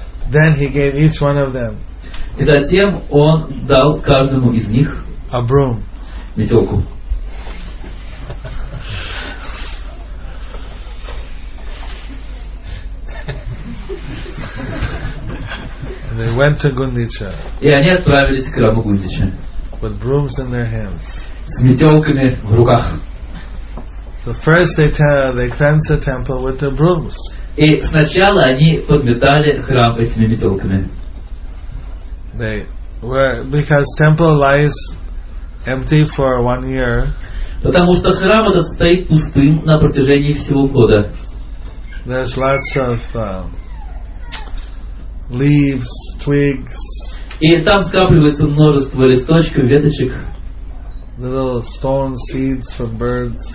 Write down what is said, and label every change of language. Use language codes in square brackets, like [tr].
[en] Then he gave each one of them. [ru] И затем он дал каждому из них [en] a broom. [ru] Метелку. [en] And they went to Gundicha. [ru] И они отправились к храму Гундича. [en] With brooms in their hands. [ru] С метелками в руках. [en] So first they cleanse the temple with the brooms. [ru] И сначала они подметали храм этими метелками. [en] They because temple lies empty for 1 year. [ru] Потому что храм этот стоит пустым на протяжении всего года. [en] There's lots of leaves, twigs. [ru] И там скапливается множество листочков, веточек. [en] Little stone seeds for birds.